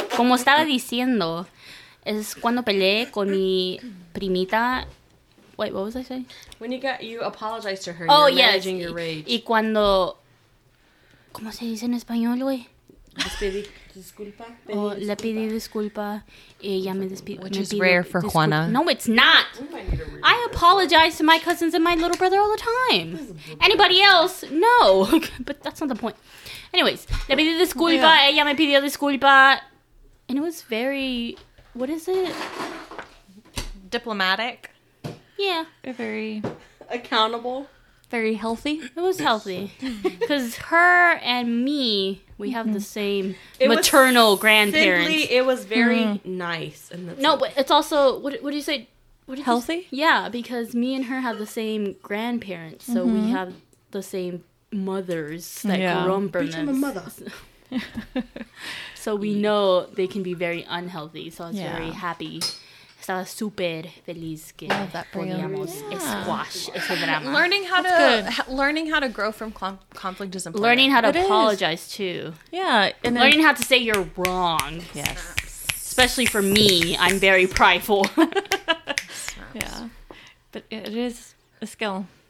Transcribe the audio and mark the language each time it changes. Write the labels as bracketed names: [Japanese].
[Spanish] Como estaba diciendo, es cuando peleé con mi primita. [English] Wait, what was I saying? When you apologized to her, you're managing your rage. [Spanish] Y cuando... ¿Cómo se dice en español, güey? Disculpa. Oh, le pedí disculpa. Y ella me [English] Which is rare for Juana. No, it's not. I apologize to my cousins and my little brother all the time. Anybody else? No. But that's not the point. Anyways, le pedí disculpa. Oh, yeah. Ella me pidió disculpa. And it was very, what is it? Diplomatic. Yeah. Or very accountable. Very healthy. It was healthy. Because her and me, we have the same maternal grandparents. Simply, it was very nice. And no, but it's also, what do you say? What is healthy? This? Yeah, because me and her have the same grandparents. So we have the same mothers that grumper. Each of a mother. So we know they can be very unhealthy. So I was very happy. [Spanish] Estaba super feliz que podíamos squash ese drama. [English] Learning how to grow from conflict is important. Learning how to it apologize too. Yeah. And learning how to say you're wrong. Yes. Especially for me, I'm very prideful. Yeah. But it is a skill.